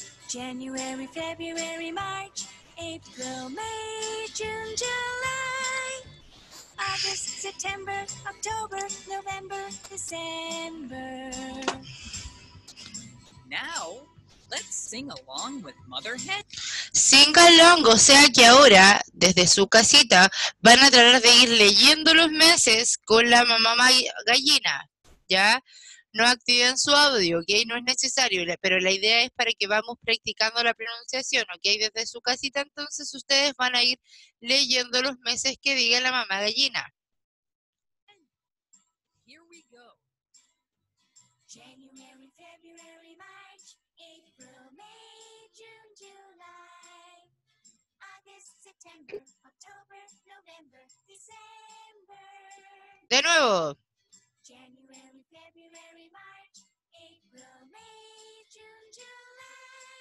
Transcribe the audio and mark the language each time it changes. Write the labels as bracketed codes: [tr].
[en] January, February, March, April, May, June, July, August, September, October, November, December. Now, let's sing along with Mother Hen. Sing along, [es] o sea que ahora, desde su casita, van a tratar de ir leyendo los meses con la mamá gallina, ¿ya? No activen su audio, ¿ok? No es necesario, pero la idea es para que vamos practicando la pronunciación, ¿ok? Desde su casita, entonces, ustedes van a ir leyendo los meses que diga la mamá gallina. [en] Here we go. January, February, March, April, May, June, July, August, September, October, November, December. [es] De nuevo. [en] January, February, March, April, May, June, July,